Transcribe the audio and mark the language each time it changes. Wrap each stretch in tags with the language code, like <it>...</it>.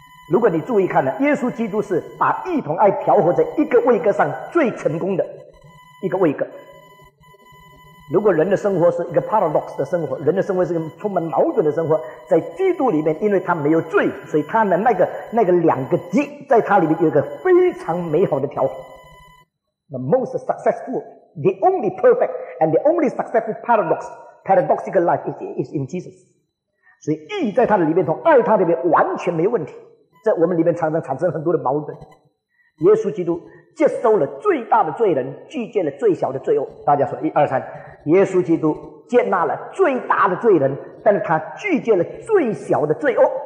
<zh>如果你注意看呢，耶稣基督是把义同爱调和在一个位格上最成功的一个位格。如果人的生活是一个 paradox 的生活，人的生活是一个充满矛盾的生活，在基督里面因为他没有罪，所以他的那个两个极在他里面有一个非常美好的调和。</zh> <en>The most successful, the only perfect and the only successful paradoxical life is in Jesus。</en> <zh>所以义在他的里面同爱他里面完全没问题，在我们里面常常产生很多的矛盾。耶稣基督接收了最大的罪人，拒绝了最小的罪恶。大家说一二三，耶稣基督接纳了最大的罪人，但是他拒绝了最小的罪恶。</zh>